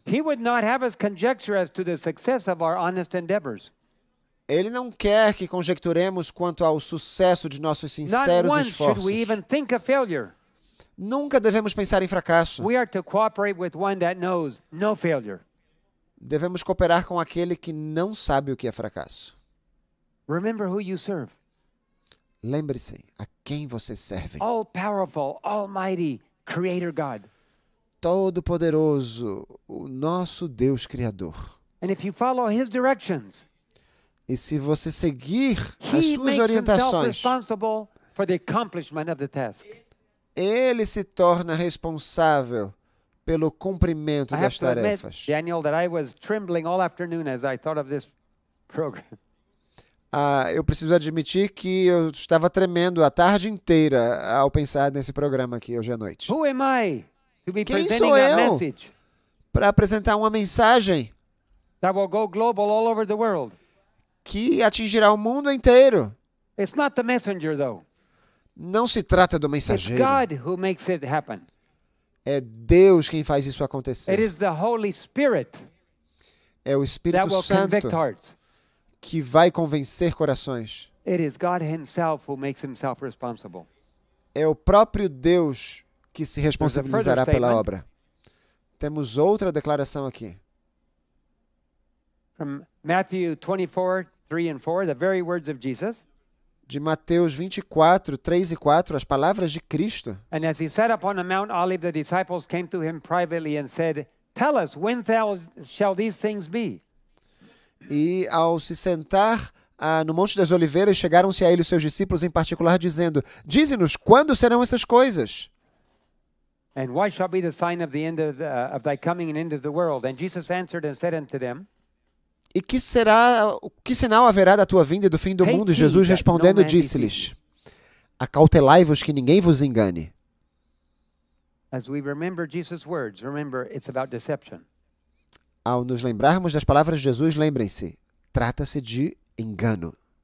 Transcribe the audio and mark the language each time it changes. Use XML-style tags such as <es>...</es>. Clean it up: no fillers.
<en>He would not have us conjecture as to the success of our honest endeavors.</en> <pt>Ele não quer que conjecturemos quanto ao sucesso de nossos sinceros</pt> <en>not</en> <pt>esforços.</pt> <en>Should we even think of failure.</en> <pt>Nunca devemos pensar em fracasso.</pt> <en>We are to cooperate with one that knows no failure.</en> <pt>Devemos cooperar com aquele que não sabe o que é fracasso.</pt> <en>Remember who you serve.</en> <pt>Lembre-se a quem você serve.</pt> <en>All-powerful, almighty, creator God.</en> <pt>Todo-poderoso, o nosso Deus Criador.</pt> <en>And if you follow his directions,</en> <pt>e se você seguir as suas orientações,</pt> <en>he makes himself responsible for the accomplishment of the task.</en> <pt>Ele se torna responsável pelo cumprimento das tarefas.</pt> <en>Daniel, that I was trembling all afternoon as I thought of this program.</en> <pt>Eu preciso admitir que eu estava tremendo a tarde inteira ao pensar nesse programa aqui hoje à noite.</pt> <en>Who am I to be</en> <pt>Quem</pt> <en>presenting</en> <pt>sou</pt> <en>a</en> <pt>eu</pt> <en>message?</en> <pt>Para apresentar uma mensagem</pt> <en>that will go global all over the world.</en> <pt>Que atingirá o mundo inteiro.</pt> <en>It's not the messenger, though.</en> <pt>Não se trata do mensageiro.</pt> <en>It's God who makes it happen.</en> <pt>É Deus quem faz isso acontecer.</pt> <en>It is the Holy Spirit</en> <pt>é o Espírito Santo que vai convencer corações.</pt> <en>It is God himself who makes himself responsible.</en> <pt>É o próprio Deus que se responsabilizará pela obra. Temos outra declaração aqui.</pt> <en>From Matthew 24, 3 and 4, the very words of Jesus.</en> <pt>De Mateus 24, 3 e 4, as palavras de Cristo.</pt> <en>And as he sat upon the Mount Olive, the disciples came to him privately and said, tell us, when shall these things be?</en> <pt>E ao se sentar no Monte das Oliveiras, chegaram-se a ele os seus discípulos em particular, dizendo, dize-nos, quando serão essas coisas?</pt> <en>And what shall be the sign of the end of thy coming and end of the world? And Jesus answered and said unto them,</en> <pt>e que sinal haverá da tua vinda e do fim do mundo? Jesus respondendo disse-lhes, acautelai-vos que ninguém vos engane. Ao nos lembrarmos das palavras de Jesus, lembrem-se, trata-se de engano.</pt>